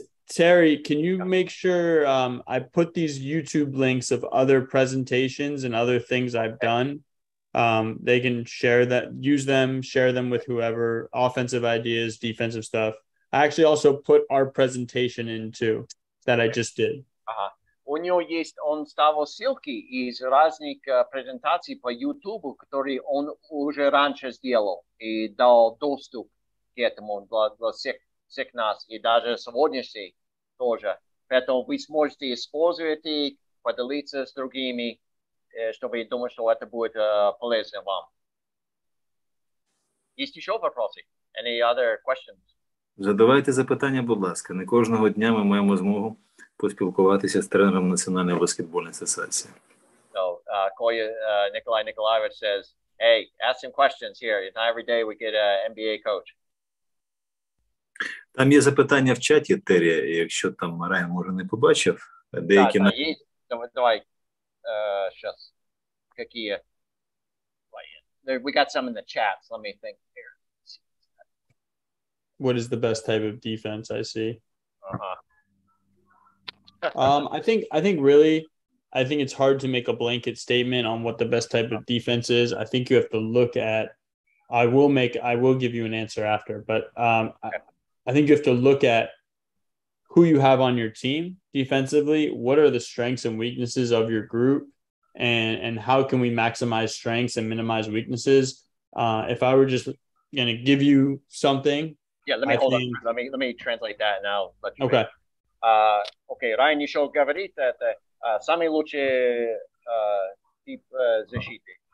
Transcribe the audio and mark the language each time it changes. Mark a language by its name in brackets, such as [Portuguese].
[English] Terry, can you make sure I put these YouTube links of other presentations and other things I've done? They can share that, use them, share them with whoever, offensive ideas, defensive stuff. I actually also put our presentation in too that I just did. [Ukrainian] У нього є, він ставив ссылки із різних презентацій по YouTube, які він уже раніше зробив і дав доступ [Russian] к этому [Ukrainian] для всіх нас і даже сьогоднішній теж. Поэтому ви зможете использовать их, поделиться з другими, щоб я думав, що це буде полезно вам. Є ще вопроси? [English] Any other questions? [Ukrainian] Задавайте запитання, будь ласка. Не кожного дня ми маємо змогу поспілкуватися з тренером Національної баскетбольної асоціації. [English] So, Коля Николай Николаевич says, hey, ask some questions here. It's not every day we get an NBA coach. [Ukrainian] Там є запитання в чаті, Террі, якщо там Райан, може, не побачив. Деякі на... Давай, щас. Які є? [English] There, we got some in the chat, so let me think here. What is the best type of defense I see? I think it's hard to make a blanket statement on what the best type of defense is. I think you have to look at, I will give you an answer after, but I think you have to look at who you have on your team defensively. What are the strengths and weaknesses of your group, and how can we maximize strengths and minimize weaknesses? If I were just going to give you something. Yeah, let me let me translate that now. Okay. [Ukrainian] Окей, Райан ще говорить, що це найкращий тип защити.